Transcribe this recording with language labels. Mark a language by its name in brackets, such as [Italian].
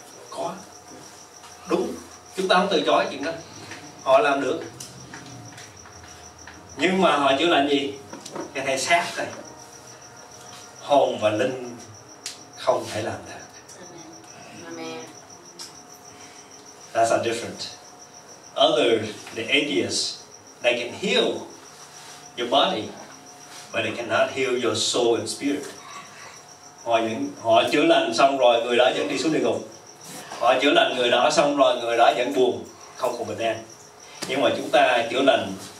[Vietnamese] Có. Đúng. Chúng ta không từ chối chuyện đó. Họ làm được. Nhưng mà họ chữa lành gì? Cái thể xác này. Hồn và linh không thể làm được. Amen. [English] That's a different. Other, the atheists, they can heal your body, but they cannot heal your soul and spirit. [Vietnamese] Họ chữa lành xong rồi người đó vẫn đi xuống địa ngục. Họ chữa lành người đó xong rồi người đó vẫn buồn, không còn bình an. Nhưng mà chúng ta chữa lành